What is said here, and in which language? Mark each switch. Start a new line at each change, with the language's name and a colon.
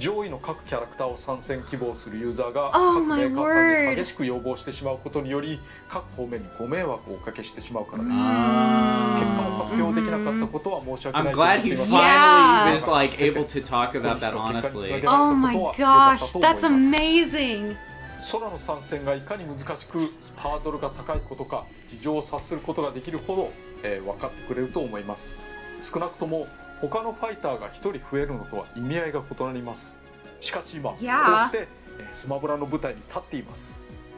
Japanese: 上位の各キャラクターを参戦希望するユーザーが、 oh, 各メーカーさんに激しく要望してしまうことにより各方面にご迷惑をおかけしてしまうからです。結果を発表できなかったことは申し訳ないと思います。
English: I'm glad he finally was like able to talk about that honestly. Oh my gosh, that's amazing.
Japanese: ソラの参戦がいかに難しくハードルが高いことか事情を察することができるほど、分かってくれると思います。少なくとも他のファイターが1人増えるのとは意味合いが異なります。しかし今、 yeah. こうしてスマブラの舞台に立っています。